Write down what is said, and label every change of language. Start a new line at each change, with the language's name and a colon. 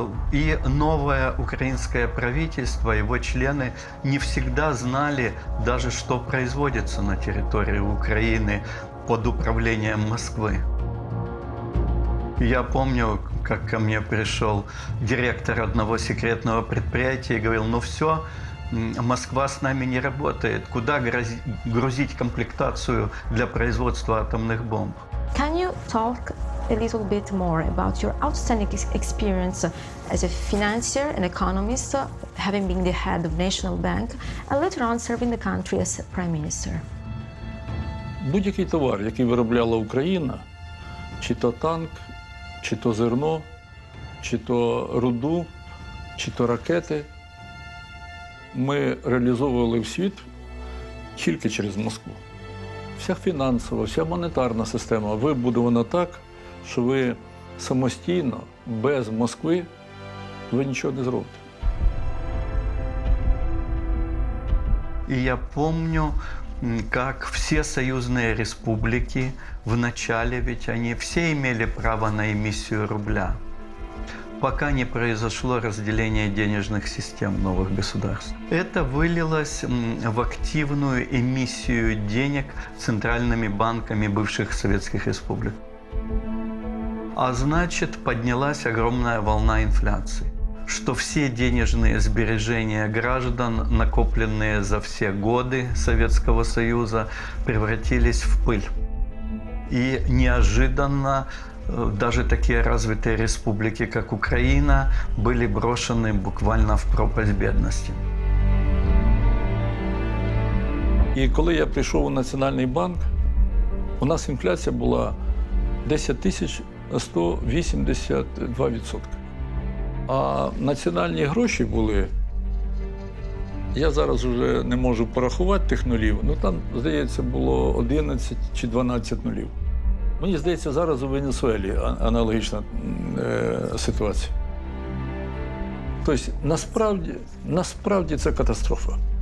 Russian: И новое украинское правительство, его члены не всегда знали даже, что производится на территории Украины под управлением Москвы. Я помню, как ко мне пришел директор одного секретного предприятия и говорил: «Ну все, Москва с нами не работает. Куда грузить комплектацию для производства атомных бомб?»
English: Can you talk a little bit more about your outstanding experience as a financier and economist, having been the head of National Bank, and later on serving the country as prime minister?
Ukrainian: Будь-який товар, який виробляла Україна, чи то танк, чи то зерно, чи то руду, чи то ракети, ми реалізовували в світ тільки через Москву. Вся фінансова, вся монетарна система вибудована так, що ви самостійно, без Москви, ви нічого не зробите. І я пам'ятаю, як всі союзні республіки в початку, ведь вони всі мали право на емісію рубля,
Russian: пока не произошло разделение денежных систем новых государств. Это вылилось в активную эмиссию денег центральными банками бывших советских республик. А значит, поднялась огромная волна инфляции, что все денежные сбережения граждан, накопленные за все годы Советского Союза, превратились в пыль. И неожиданно даже такие развитые республики, как Украина, были брошены буквально в пропасть бедности. И когда я пришел в Национальный банк, у нас инфляция была 10 182%. А национальные гроши были, я сейчас уже не могу
Ukrainian: порахувати тих нулів, но там, здається, было 11 чи 12 нулів. Мені здається, зараз у Венесуелі аналогічна ситуація. Тобто, насправді це катастрофа.